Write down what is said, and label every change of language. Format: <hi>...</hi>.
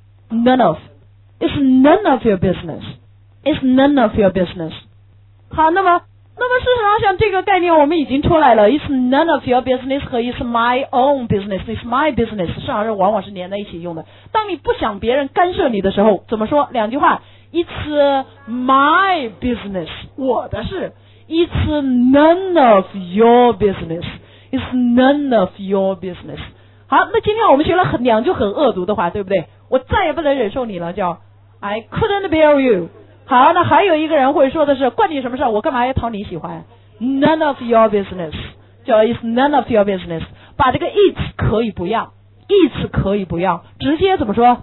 <en>It's none of your business. It's none of your business.</en> <zh>好，那么事实上像这个概念我们已经出来了，</zh> <en>It's none of your business</en> <zh>和</zh> <en>It's my own business. It's my business</en> <zh>事实上是往往是连在一起用的。当你不想别人干涉你的时候怎么说？两句话，</zh> <en>It's my business，</en> <zh>我的事。</zh> <en>It's none of your businessIt's none of your business。</en> <zh>好，那今天我们学了两句很恶毒的话，对不对？我再也不能忍受你了，叫</zh> <en>I couldn't bear you。</en> <zh>好，那还有一个人会说的是，关你什么事，我干嘛要讨你喜欢？</zh> <en>None of your business， 叫 It's none of your business。</en> <zh>把这个 it 可以不要， it 可以不要，直接怎么说？</zh>